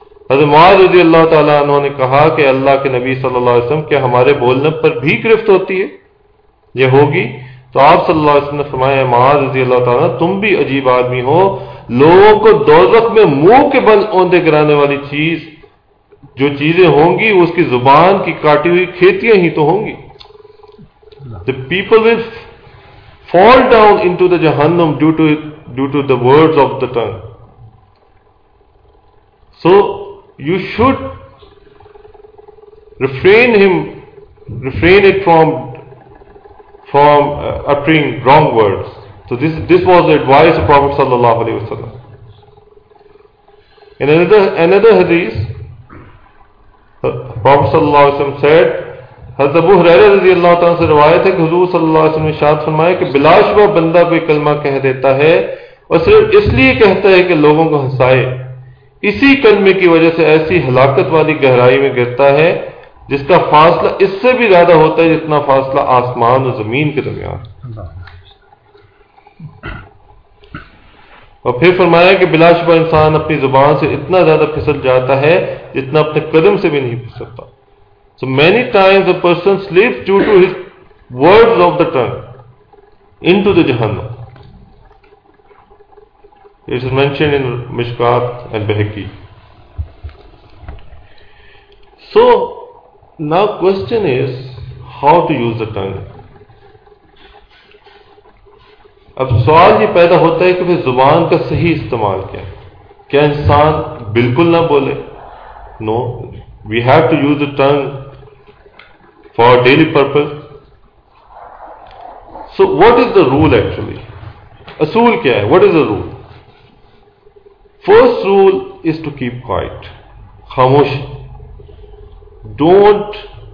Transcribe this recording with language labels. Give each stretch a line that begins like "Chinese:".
Urdu: حضرت معاذ رضی اللہ تعالیٰ عنہ نے کہا کہ اللہ کے نبی صلی اللہ علیہ وسلم، کیا ہمارے بولنے پر بھی گرفت ہوتی ہے، یہ ہوگی؟ تو آپ صلی اللہ علیہ وسلم نے فرمایا، معاذ رضی اللہ تعالیٰ، تم بھی عجیب آدمی ہو، لوگوں کو دوزخ میں منہ کے بل اوندے گرانے والی چیز جو چیزیں ہوں گی اس کی زبان کی کاٹی ہوئی کھیتیاں ہی تو ہوں گی.
English: The people will fall down into the jahannam due to the words of the tongue. So you should refrain it from uttering wrong words. So this was the advice of Prophet sallallahu alaihi wasallam. In another hadith, Prophet sallallahu alaihi wasallam said,
Urdu: حضرت ابو ہریرہ رضی اللہ تعالیٰ سے روایت ہے کہ حضور صلی اللہ علیہ وسلم نے ارشاد فرمایا کہ بلا شبہ بندہ کوئی کلمہ کہہ دیتا ہے اور صرف اس لیے کہتا ہے کہ لوگوں کو ہنسائے، اسی کلمے کی وجہ سے ایسی ہلاکت والی گہرائی میں گرتا ہے جس کا فاصلہ اس سے بھی زیادہ ہوتا ہے جتنا فاصلہ آسمان اور زمین کے درمیان. اور پھر فرمایا کہ بلا شبہ انسان اپنی زبان سے اتنا زیادہ پھسل جاتا ہے جتنا اپنے قدم سے بھی نہیں پھسلتا.
English: So many times a person slips due to his words of the tongue into the Jahannam. It is mentioned in Mishkat and Behaki. So now question is how to use the tongue.
Urdu: اب سوال یہ پیدا ہوتا ہے کہ پھر زبان کا صحیح استعمال کیا ہے؟ کیا انسان بالکل نہ بولے؟
English: No. We have to use the tongue for daily purpose. So what is the rule actually?
Urdu: Asool kya hai?
English: What is the rule? First rule is to keep quiet. Khamoshi. Don't